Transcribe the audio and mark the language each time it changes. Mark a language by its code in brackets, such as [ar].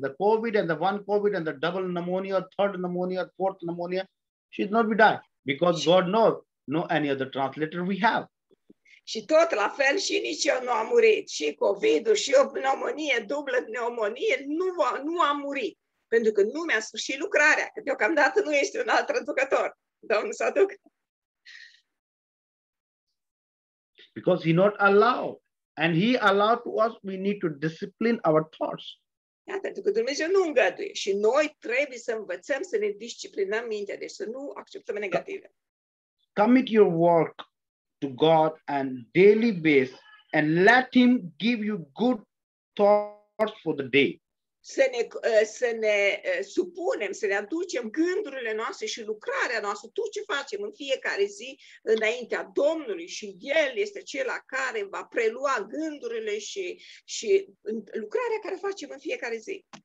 [en] The COVID and the one COVID and the double pneumonia, third pneumonia, fourth pneumonia, she's not be dying. Because God knows, no any other translator we have. [ro] Și tot la fel, și nici eu nu am murit. Și COVID-ul, și o pneumonie, dublă pneumonie, nu am murit. Pentru că nu mi-a sfârșit lucrarea. Că deocamdată nu este un alt traducător. Domnul Saduc. [en] Because he not allowed. And he allowed to us, we need to discipline our thoughts. [ro] Iată, pentru că Dumnezeu nu îngăduie. Și noi trebuie să învățăm să ne disciplinăm mintea, deci să nu acceptăm negative. [en] Commit your work to God on daily basis and let him give you good thoughts for the day. [ro] Să ne supunem, să ne aducem gândurile noastre și lucrarea noastră, tot ce facem în fiecare zi înaintea Domnului și El este cel care va prelua gândurile și lucrarea care facem în fiecare zi.